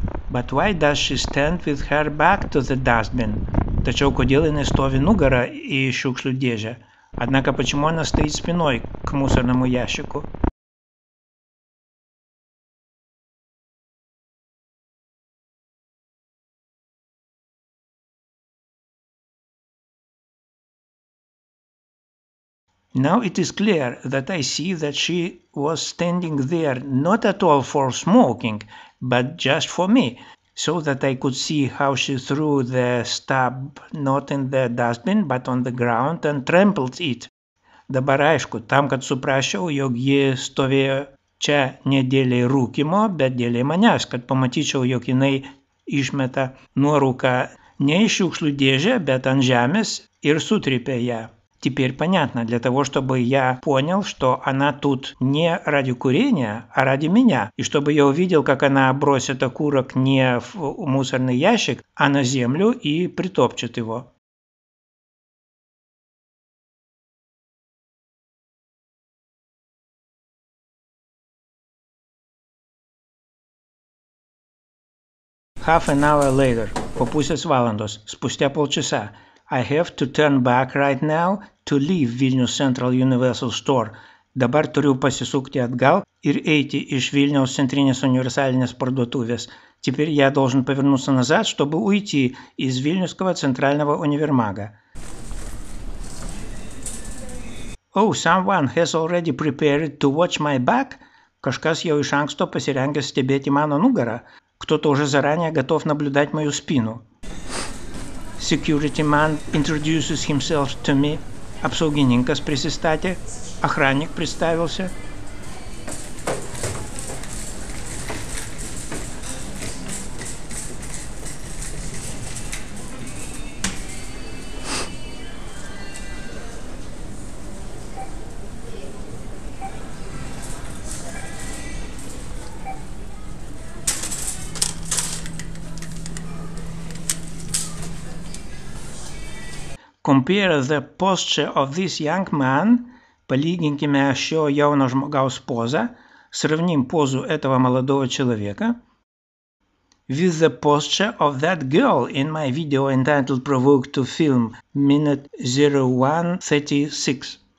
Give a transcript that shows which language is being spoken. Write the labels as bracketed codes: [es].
[en] But why does she stand with her back to the dustbin? [lt] Tačiau kodėl jinai stovi nugarą į šiukšlių dėžę? [ru] Однако почему она стоит спиной к мусорному ящику? [en] Now it is clear that I see that she was standing there not at all for smoking, but just for me, so that I could see how she threw the stub not in the dustbin, but on the ground and trampled it. [lt] Dabar aišku, tam, kad suprasčiau, jog ji stovėjo čia ne dėlei rūkimo, bet dėlei manęs, kad pamatyčiau, jog jinai išmeta nuorūką ne iš šiukšlių dėžę, bet ant žemės ir sutrypė ją. [ru] Теперь понятно, для того, чтобы я понял, что она тут не ради курения, а ради меня. И чтобы я увидел, как она бросит окурок не в мусорный ящик, а на землю и притопчет его. [en] Half an hour later, [lt] по pusės valandos, [ru] спустя полчаса. [en] I have to turn back right now to leave Vilnius Central Universal Store. [lt] Dabar turiu pasisukti atgal ir eiti iš Vilniaus centrinės universalinės parduotuvės. [ru] Теперь я должен повернуться назад, чтобы уйти из Вильнюсского центрального универмага. [en] Oh, someone has already prepared to watch my back? [lt] Kažkas jau iš anksto pasirengęs stebėti mano nugarą. [ru] Кто-то уже заранее готов наблюдать мою спину. [en] Security man introduces himself to me. [lt] Apsaugininkas prisistatė. [ru] Охранник представился. [en] Compare the posture of this young man. [lt] Palyginkime šio jauno žmogaus pozą. [ru] Sravnim pozu etavo maladovo čelovėka. [en] With the posture of that girl in my video entitled Provoke to Film, minute 01:36.